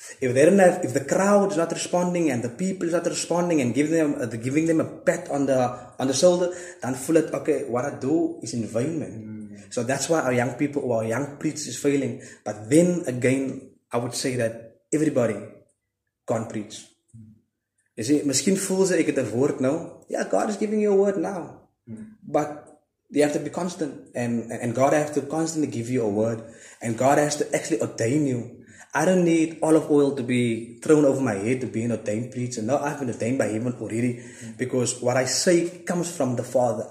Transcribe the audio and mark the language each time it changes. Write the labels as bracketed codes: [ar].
[en] If they don't have, if the crowd is not responding and the people is not responding and giving them a pat on the shoulder, then feel it, okay, what I do is in vain, man. So that's why our young people, our young priests is failing. But then again, I would say that everybody can't preach. You see, [af] miskien voel jy ek het 'n woord nou. [en] Yeah, God is giving you a word now. But you have to be constant. And God has to constantly give you a word. And God has to actually ordain you. I don't need olive oil to be thrown over my head to be an ordained preacher. No, I've been ordained by Him already. Because what I say comes from the Father.